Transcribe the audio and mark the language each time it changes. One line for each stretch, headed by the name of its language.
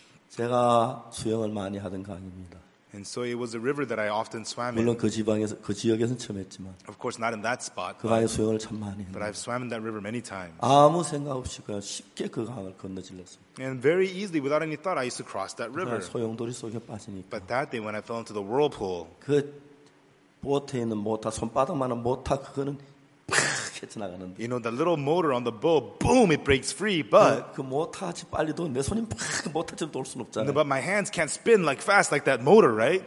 Korean: 제가 수영을 많이 하던 강입니다.
English: And so it was a river that I often swam in.
Korean: 물론 그 지방에서 그 지역에서는 처음 했지만.
English: Of course, not in that spot.
Korean: 그 강에 수영을 참 많이 했는데.
English: But I've swam in that river many times.
Korean: 아무 생각 없이 그냥 쉽게 그 강을 건너질렀어요.
English: And very easily, without any thought, I used to cross that river.
Korean: 소용돌이 속에 빠지니까.
English: But that day, when I fell into the whirlpool,
Korean: 그 보트에 있는 모터, 손바닥만한 모터 그거는 팍 헤쳐나가는데.
English: You know, the little motor on the boat, boom, it breaks free, but
Korean: 그 모터 같이 빨리 돈 내 손이 팍 모터처럼 돌 수는 없잖아요.
English: But my hands can't spin like fast like that motor, right?